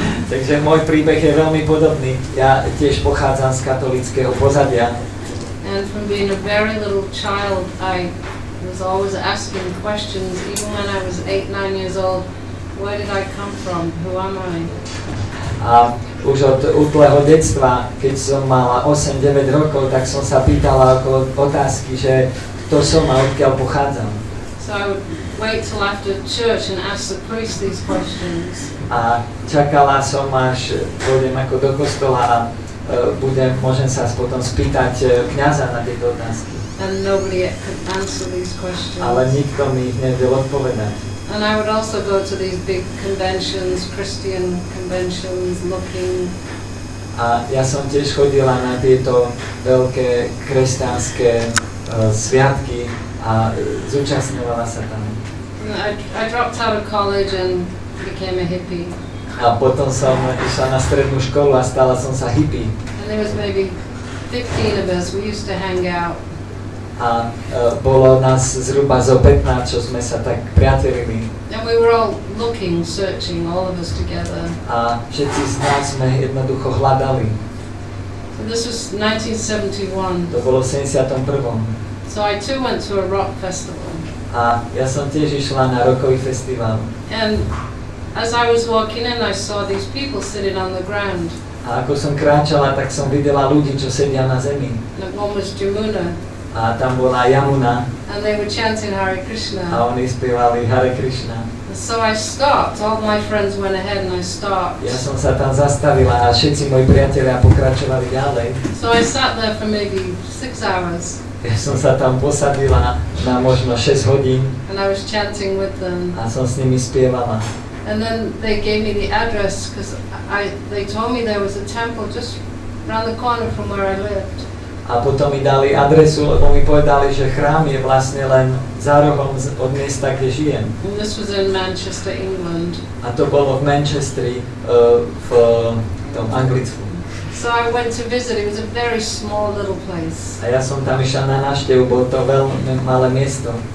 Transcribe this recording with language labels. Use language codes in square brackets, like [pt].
[sk] Takže môj príbeh je veľmi podobný. Ja tiež pochádzam z katolíckeho pozadia. [en] And from being a very little child, I was always asking questions, even when I was 8-9 years old. Where did I come from? Who am I? [sk] A už od útleho detstva, keď som mala 8-9 rokov, tak som sa pýtala okolo otázky, že kto som a odkiaľ pochádzam. [en] So I would wait till after church and ask the priest these questions. [sk] A čakala som, až pôjdem ako do kostola a budem, môžem sa potom spýtať kňaza na tieto otázky. [en] And nobody yet could answer these questions. [sk] Ale nikto mi ich nevedel odpovedať. [en] And I would also go to these big conventions, Christian conventions, looking. [sk] A ja som tiež chodila na tieto veľké kresťanské sviatky a zúčastňovala sa tam. [en] I dropped out of college and became a hippie. [sk] A potom som išla na strednú školu a stala som sa hippie. [en] And there was maybe 15 of us, we used to hang out. [sk] A bolo nás zhruba zo 15, čo sme sa tak priatelili. [en] And we were all looking, searching, all of us together. [sk] A všetci z nás sme jednoducho hľadali. [en] So this was 1971. [sk] To bolo v 71. [en] So I too went to a rock festival. [sk] A ja som tiež išla na rockový festival. [en] And as I was walking in, I saw these people sitting on the ground. [sk] A ako som kráčala, tak som videla ľudí, čo sedia na zemi. [en] And one was Jamuna. [sk] A tam bola Jamuna. [en] And they were chanting Hare Krishna. [sk] A oni spievali Hare Krishna. [en] So I stopped. All my friends went ahead and I stopped. [sk] Ja som sa tam zastavila a všetci moji priatelia pokračovali ďalej. [en] So I sat there for maybe 6 hours. [sk] Ja som sa tam posadila na možno 6 hodín. [en] And I was chanting with them. [sk] A som s nimi spievala. [en] And then they gave me the address because they told me there was a temple just around the corner from where I lived. [sk] A potom mi dali adresu, lebo mi povedali, že chrám je vlastne len za rohom od miesta, kde žijem. [en] And this was in Manchester, England. [sk] A to bolo v Manchestri, v tom Anglicku. [en] So I went to visit, it was a very small little place. [sk] A ja som tam išiel na návštevu, bolo to veľmi malé miesto.